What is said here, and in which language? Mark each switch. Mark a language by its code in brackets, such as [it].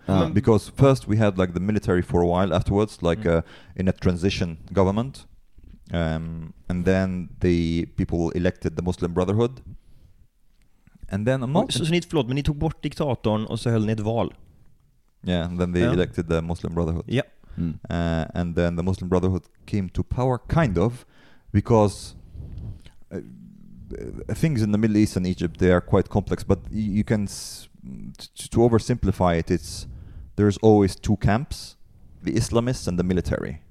[en] Because first we had like the military for a while afterwards, like in a transition government. And then the people elected the Muslim Brotherhood. And then [sv] Men ni tog bort diktatorn och så höll ni ett val. [en] Yeah, and then they elected the Muslim Brotherhood. Yeah. And then the Muslim Brotherhood came to power, kind of, because things in the Middle East and Egypt, they are quite complex, but you can to oversimplify it, there's always two camps, the Islamists and the military.